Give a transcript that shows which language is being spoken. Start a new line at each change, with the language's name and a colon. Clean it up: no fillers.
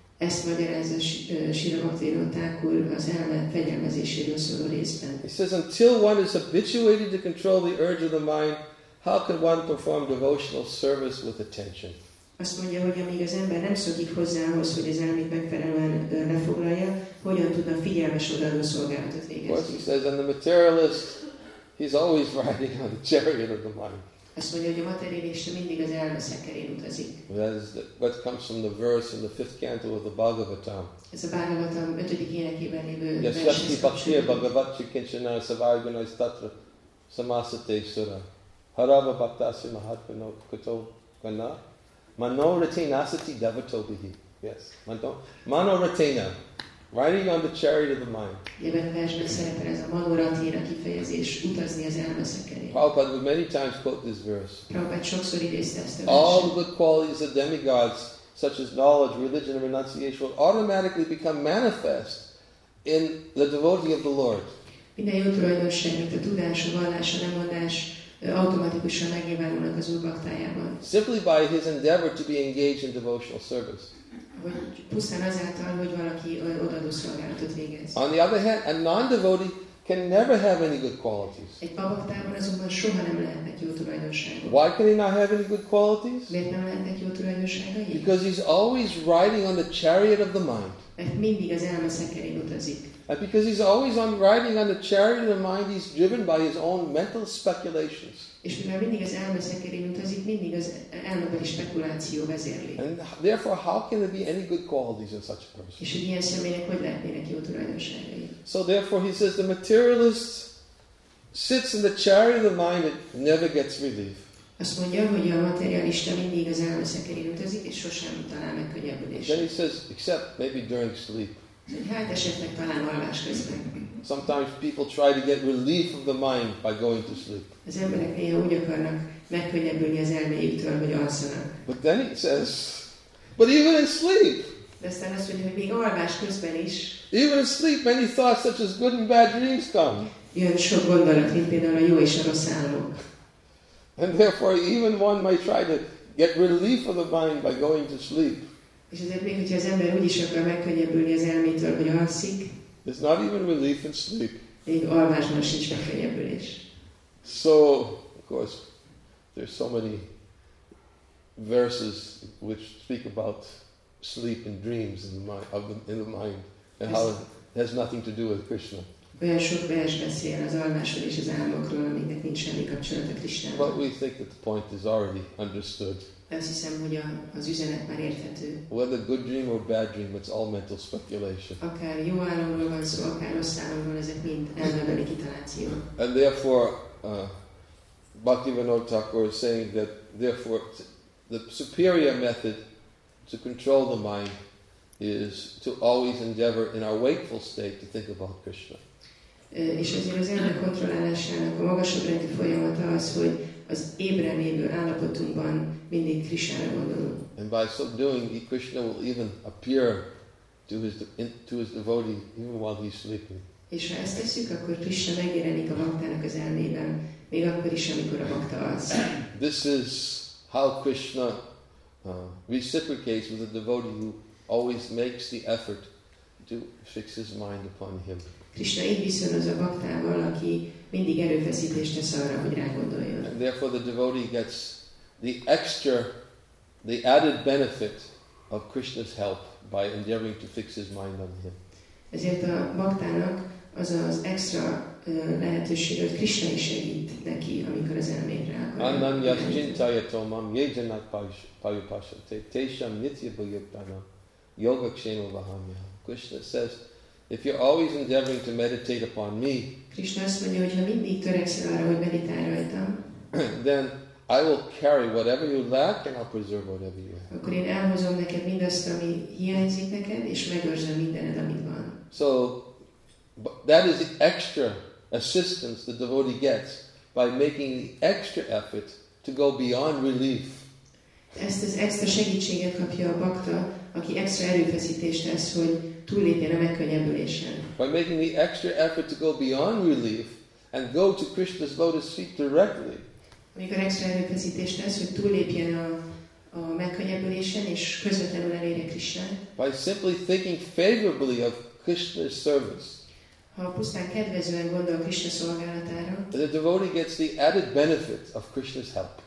Hungarian: Ezt magyarázza Srila Bhaktivinoda Thakur az elme fegyelmezéséről szóló részben.
English: He says, until one is habituated to control the urge of the mind, how can one perform devotional service with attention?
Hungarian: Azt mondja, hogy amíg az ember nem szokik hozzá ahhoz, hogy az elmét megfelelően lefoglalja, hogyan tudna figyelmes odaadó szolgálatot végezni?
English: Of course, he says, and the materialist, he's always riding on the chariot of the mind.
Hungarian: Azt mondja, hogy a materialista mindig az elme szekerén utazik.
English: That is what comes from the verse in the fifth canto of the Bhagavatam.
Hungarian: Ez a Bhagavatam ötödik énekében lévő verse.
Sanskrit: Yes, yashti bhakti bhagavatchi kinchana savarganai statra samasate sura. Harava bhaktasi mahatmano kato kana mano retina sati devato bihi.
English: Yes, mano retina, riding on the chariot of the mind.
Hungarian: Ebben a versben szerepel ez a mano retina kifejezés, utazni az elme szekerén.
English: Prabhupada would many times quote this verse.
Hungarian: Prabhupada sokszor idézte ezt a verset.
English: All the good qualities of demigods, such as knowledge, religion, and renunciation, will automatically become manifest in the devotee of the Lord.
Hungarian: Minden jó tulajdonság, mint a tudás, a vallás, a lemondás, automatikusan megnyilvánulnak az Úr baktájában.
English: Simply by his endeavor to be engaged in devotional service.
Hungarian: Pusztán azáltal, hogy valaki odaadó szolgálatot végez.
English: On the other hand, a non-devotee can never have any good qualities.
Hungarian: Egy baktájában azonban soha nem lehetnek jó tulajdonságok.
English: Why can he not have any good qualities?
Hungarian: Miért nem lehetnek jó tulajdonságai?
English: Because he's always riding on the chariot of the mind.
Hungarian: Mert mindig az elme szekerén utazik.
English: And because he's always on riding on the chariot of the mind, he's driven by his own mental speculations.
Hungarian: És mivel mindig az elme szekerén utazik, mindig az elmebeli spekuláció vezérli.
English: And therefore, how can there be any good qualities in such a person?
Hungarian: És hogy ilyen személynek hogy lehetnének jó tulajdonságai?
English: So therefore, he says, the materialist sits in the chariot of the mind and never gets relief.
Hungarian: Azt mondja, hogy a materialista mindig az elme szekerén utazik, és sosem talál meg könnyebbülést.
English: Then he says, except maybe during sleep.
Hungarian: Hát esetleg talán alvás közben.
English: Sometimes people try to get relief of the mind by going to sleep.
Hungarian: Az emberek néha úgy akarnak megkönnyebbülni az elméjüktől, hogy alszanak.
English: But then it says, but even in sleep.
Hungarian: De aztán azt mondja, hogy még alvás közben is.
English: Even in sleep, many thoughts such as good and bad dreams come.
Hungarian: Jön sok gondolat, mint például a jó és a rossz álmok.
English: And therefore, even one might try to get relief of the mind by going to sleep.
Hungarian: És azért még, hogyha az ember úgy is akar megkönnyebbülni az elméjüktől, hogy alszik.
English: There's not even relief in sleep.
Hungarian: Még alvásban sincs megkönnyebbülés.
English: So, of course, there's so many verses which speak about sleep and dreams in the mind, and how it has nothing to do with Krishna.
Hungarian: Olyan sok vers beszél az alvásról és az álmokról, amiknek nincs semmi kapcsolata Krisztusnak.
English: But we think that the point is already understood.
Hungarian: Azt hiszem, hogy az üzenet már érthető.
English: Whether good dream or bad dream, it's all mental speculation.
Hungarian: Akár jó álomról van szó, akár rossz álomról, ezek mind elmebeli kitaláció.
English: And therefore, Bhaktivinoda Thakur is saying that therefore the superior method to control the mind is to always endeavor in our wakeful state to think about Krishna.
Hungarian: És azért az elme kontrollálásának a magasabb rendű folyamata az, hogy az ébrenlévő állapotunkban mindig Krishnára gondolunk.
English: And by so doing, Krishna will even appear to his devotee even while he's sleeping.
Hungarian: És ha ezt teszük, akkor Krishna megjelenik a baktának az elmében, még akkor is, amikor a bakta alsz.
English: This is how Krishna reciprocates with a devotee who always makes the effort to fix his mind upon him.
Hungarian: Krishna így viszonyoz a baktával, aki mindig erőfeszítést tesz arra, hogy rá gondoljon.
English: And therefore the devotee gets the added benefit of Krishna's help by endeavoring to fix his mind on him.
Hungarian: Ezért a baktának az az extra lehetőség, hogy Krishna is segít neki, amikor az elmére akar.
Sanskrit: Ananyas cintayatomam yejanak payupashate tesham nityabhyuktanam yogakshema vahamyaham.
English: Krishna says, if you're always endeavoring to meditate upon me,
Hungarian: Krishna azt mondja, hogy ha mindig törekszel arra, hogy meditálj rajtam,
English: then I will carry whatever you lack and I'll preserve whatever you have.
Hungarian: Akkor én elhozom neked mindazt, ami hiányzik neked, és megőrzöm mindened, amit van.
English: So, but that is the extra assistance the devotee gets by making the extra effort to go beyond relief.
Hungarian: Ezt az extra segítséget kapja a bakta, aki extra erőfeszítést tesz, hogy túllépjen a megkönnyebbülésen.
English: By making the extra effort to go beyond relief and go to Krishna's lotus feet directly.
Hungarian: Amikor extra erőfeszítést tesz, hogy túllépjen a megkönnyebbülésen és közvetlenül elérje Krishnát.
English: By simply thinking favorably of Krishna's service.
Hungarian: Ha pusztán kedvezően gondol Krishna szolgálatára,
English: the devotee gets the added benefit of Krishna's help.